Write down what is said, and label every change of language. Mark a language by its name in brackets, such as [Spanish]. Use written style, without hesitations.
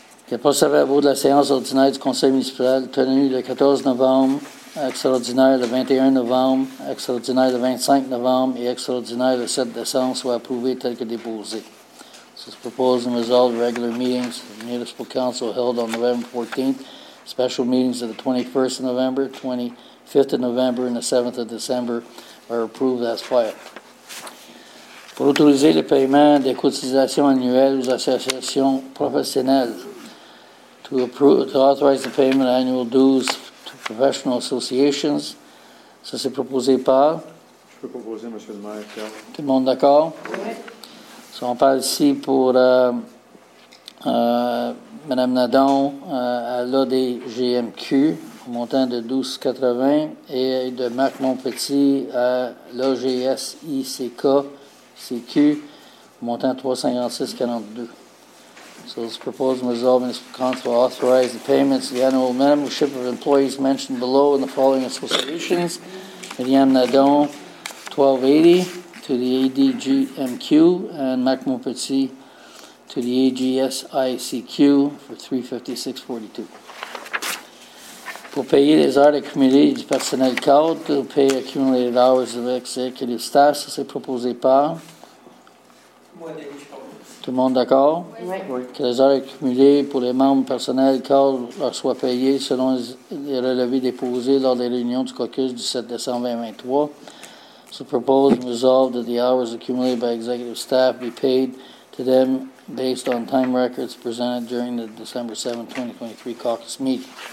[French] Le procès-verbaux de la séance ordinaire du Conseil municipal tenu le 14 novembre, extraordinaire le 21 novembre, extraordinaire le 25 novembre et extraordinaire le 7 décembre soit approuvé tel que déposé. [English] So, it's proposed and resolved regular meetings of the Municipal Council held on November 14th, special meetings of the 21st of November, 25th of November, and the 7th of December are approved as filed. [French] Pour autoriser le paiement des cotisations annuelles aux associations professionnelles, [English] to authorize the payment of annual dues to professional associations, [French] ça c'est proposé par? Je peux proposer, M. le maire. Tout le monde d'accord? Oui. So, on parle ici pour Mme Nadon, elle a des GMQ au montant de 12,80 et de Marc Montpetit à l'OGSICK CQ au montant 356,42. [English] So, this proposed resolve is council will authorize the payments of the annual membership of employees mentioned below in the following associations. Miriam Nadon, 1280 to the ADGMQ, and Mac Montpetit to the AGSICQ for 356.42. [French] Pour payer les heures accumulées du personnel CAUD, [English] to pay accumulated hours of executive staff, [French] ça c'est proposé par. Tout le monde d'accord? Oui. Que les heures accumulées pour les membres personnels CAUD leur soient payées selon les relevés déposés lors des réunions du caucus du 7 décembre 2023. [English] So proposed and resolved that the hours accumulated by executive staff be paid to them based on time records presented during the December 7, 2023 caucus meeting.